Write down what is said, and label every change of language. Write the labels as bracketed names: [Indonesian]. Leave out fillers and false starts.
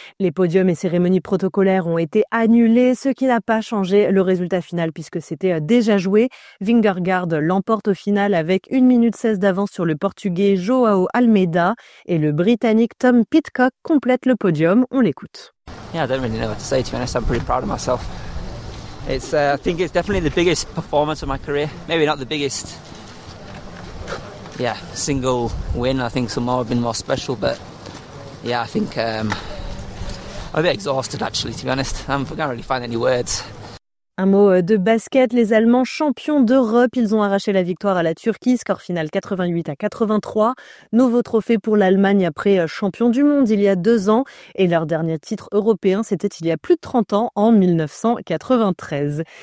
[French] Les podiums et cérémonies protocolaires ont été annulés, ce qui n'a pas changé le résultat final puisque c'était déjà joué. Vingegaard l'emporte au final avec 1 minute 16 d'avance sur le Portugais João Almeida et le Britannique Tom Pidcock complète le podium. On l'écoute. [English] Yeah, I don't really know what to say, to be honest. I'm pretty proud of myself. I think it's definitely the biggest performance of my career. Maybe not the biggest. Yeah, single win. I think some more have been more special, but yeah, I think I'm a bit exhausted actually, to be honest. I can't really find any words. [French] Un mot de basket, les Allemands champions d'Europe, ils ont arraché la victoire à la Turquie, score final 88 à 83. Nouveau trophée pour l'Allemagne après champion du monde il y a 2 ans. Et leur dernier titre européen, c'était il y a plus de 30 ans, en 1993.